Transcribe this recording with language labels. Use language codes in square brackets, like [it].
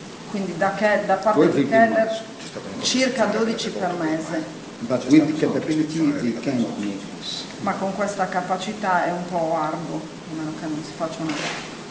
[it] Quindi da parte di Keller circa 12 per mese. [en] But with the capability they can make this. [it] Ma con questa capacità è un po' arduo, a meno che non si faccia una.